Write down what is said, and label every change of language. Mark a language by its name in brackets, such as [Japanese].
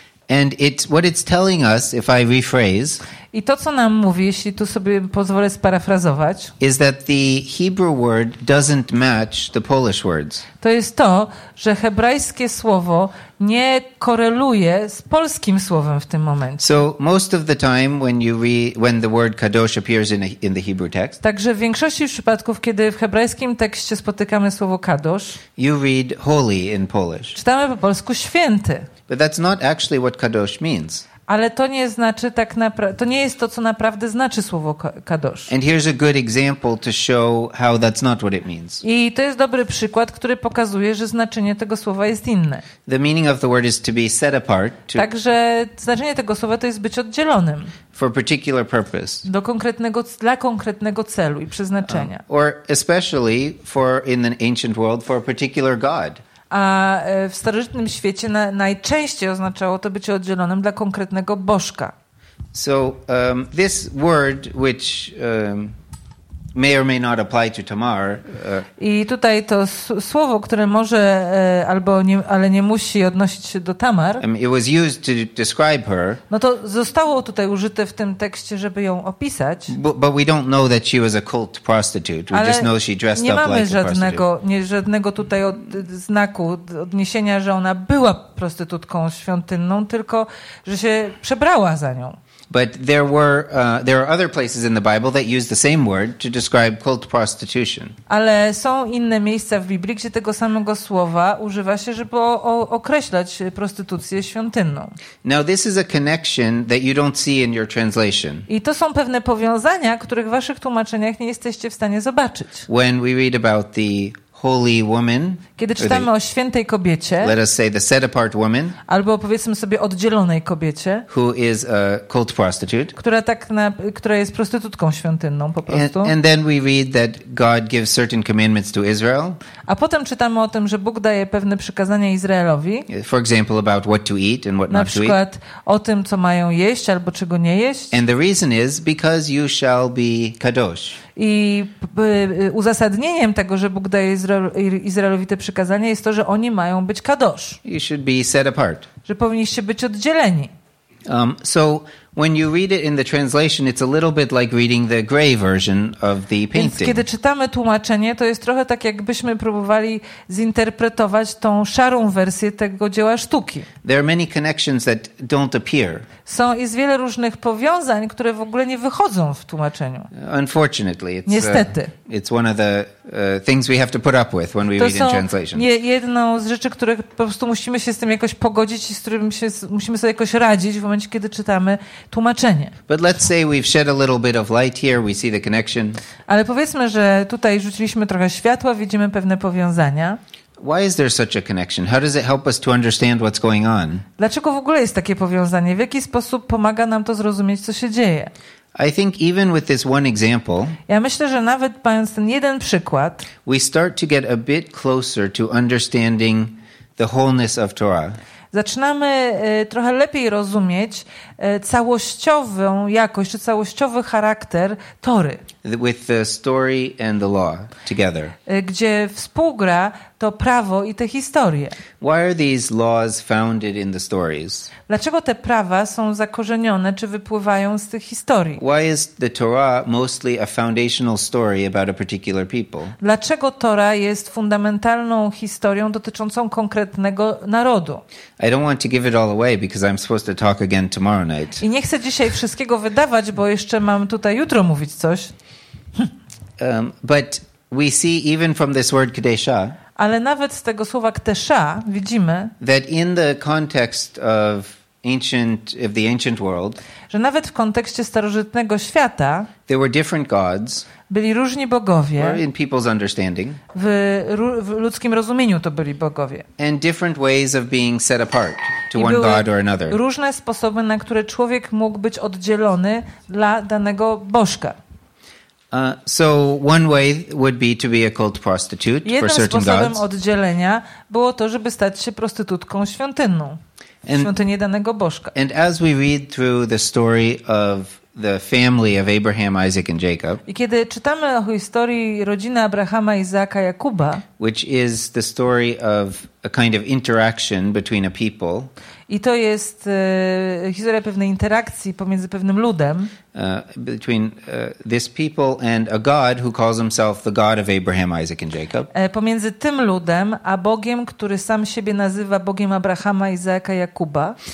[English] And it's what it's telling us, if I rephrase. [Polish] I to, co nam mówi, jeśli tu sobie pozwolę sparafrazować, [English] is that the Hebrew word doesn't match the Polish words. [Polish] To jest to, że hebrajskie słowo nie koreluje z polskim słowem w tym momencie. [English] So most of the time when you read, when the word kadosh appears in the Hebrew text. [Polish] Także w większości przypadków, kiedy w hebrajskim tekście spotykamy słowo kadosh, [English] you read holy in Polish. [Polish] Czytamy po polsku święty. [English] But that's not actually what kadosh means. [Polish] Ale to nie znaczy tak to nie jest to, co naprawdę znaczy słowo kadosz. [English] And here's a good example to show how that's not what it means. [Polish] I to jest dobry przykład, który pokazuje, że znaczenie tego słowa jest inne. [English] The meaning of the word is to be set apart. [Polish] Także znaczenie tego słowa to jest być oddzielonym. [English] For particular purpose. [Polish] Do konkretnego, dla konkretnego celu i przeznaczenia. [English] Or especially for in the ancient world for a particular god. [Polish] A w starożytnym świecie najczęściej oznaczało to być oddzielonym dla konkretnego bożka. [English] So this word which may or may not apply to Tamar. [Polish] I tutaj to słowo, które może albo nie, ale nie musi odnosić się do Tamar. [English] It was used to describe her. [Polish] No to zostało tutaj użyte w tym tekście, żeby ją opisać. [English] But we don't know that she was a cult prostitute. We just know she dressed up like a prostitute. [Polish] Nie mamy żadnego tutaj znaku odniesienia, że ona była prostytutką świątynną, tylko że się przebrała za nią. [English] But there are other places in the Bible that use the same word to describe cult prostitution. [Polish] Ale są inne miejsca w Biblii, gdzie tego samego słowa używa się, żeby określać prostytucję świątynną. [English] Now this is a connection that you don't see in your translation. [Polish] I to są pewne powiązania, których w waszych tłumaczeniach nie jesteście w stanie zobaczyć. [English] When we read about the holy woman, [Polish] kiedy czytamy o świętej kobiecie, [English] let us say the set apart woman, [Polish] albo powiedzmy sobie oddzielonej kobiecie, [English] who is a cult prostitute, [Polish] która jest prostytutką świątynną po prostu. [English] And then we read that God gives certain commandments to Israel. [Polish] A potem czytamy o tym, że Bóg daje pewne przykazania Izraelowi. [English] For example, about what to eat and what not to eat. [Polish] Na przykład o tym, co mają jeść albo czego nie jeść. [English] And the reason is because you shall be kadosh. [Polish] I uzasadnieniem tego, że Bóg daje Izraelowi te przykazania, jest to, że oni mają być kadosz. [English] You should be set apart. [Polish] Że powinniście być oddzieleni. [English] So when you read it in the translation, it's a little bit like reading the gray version of the painting. [Polish] Więc kiedy czytamy tłumaczenie, to jest trochę tak, jakbyśmy próbowali zinterpretować tą szarą wersję tego dzieła sztuki. [English] There are many connections that don't appear. [Polish] Są jest wiele różnych powiązań, które w ogóle nie wychodzą w tłumaczeniu. [English] Unfortunately, [Polish] niestety. [English] It's one of the things we have to put up with when we read in translation. [Polish] To jest jedną z rzeczy, których po prostu musimy się z tym jakoś pogodzić i z którym się musimy sobie jakoś radzić w momencie, kiedy czytamy tłumaczenie. [English] But let's say we've shed a little bit of light here, we see the connection. [Polish] Ale powiedzmy, że tutaj rzuciliśmy trochę światła, widzimy pewne powiązania. [English] Why is there such a connection? How does it help us to understand what's going on? [Polish] Dlaczego w ogóle jest takie powiązanie? W jaki sposób pomaga nam to zrozumieć, co się dzieje? [English] I think even with this one example, [Polish] ja myślę, że nawet mając ten jeden przykład, [English] we start to get a bit closer to understanding the wholeness of Torah. [Polish] Zaczynamy trochę lepiej rozumieć całościową jakość czy całościowy charakter Tory. [English] With the story and the law together. [Polish] Gdzie współgra to prawo i te historie. [English] Why are these laws founded in the stories? [Polish] Dlaczego te prawa są zakorzenione czy wypływają z tych historii? [English] Why is the Torah mostly a foundational story about a particular people? [Polish] Dlaczego Tora jest fundamentalną historią dotyczącą konkretnego narodu? [English] I don't want to give it all away because I'm supposed to talk again tomorrow night. [Polish] I nie chcę dzisiaj wszystkiego wydawać, bo jeszcze mam tutaj jutro mówić coś. [English] But we see even from this word kadesha. [Polish] Ale nawet z tego słowa ktesha widzimy, [English] that in the context of the ancient world, [Polish] że nawet w kontekście starożytnego świata, [English] there were different gods, [Polish] byli różni bogowie, [English] or in people's understanding, [Polish] w ludzkim rozumieniu to byli bogowie, [English] and different ways of being set apart to [Polish] i [English] one god or another, [Polish] różne sposoby, na które człowiek mógł być oddzielony dla danego bożka. [English] So one way would be to be a cult prostitute [Polish] jednym [English] for certain gods. [Polish] Jednym sposobem oddzielenia było to, żeby stać się prostytutką świątynną, w świątyni danego bożka. [English] And as we read through the story of the family of Abraham, Isaac and Jacob. [Polish] I kiedy czytamy o historii rodziny Abrahama, Izaaka, Jakuba, [English] which is the story of a kind of interaction between a people. [Polish] I to jest historia pewnej interakcji pomiędzy pewnym ludem. [English] Between this people and a God who calls himself the God of Abraham, Isaac and Jacob. [Polish] Pomiędzy tym ludem a Bogiem, który sam siebie nazywa Bogiem Abrahama, Izaaka, Jakuba.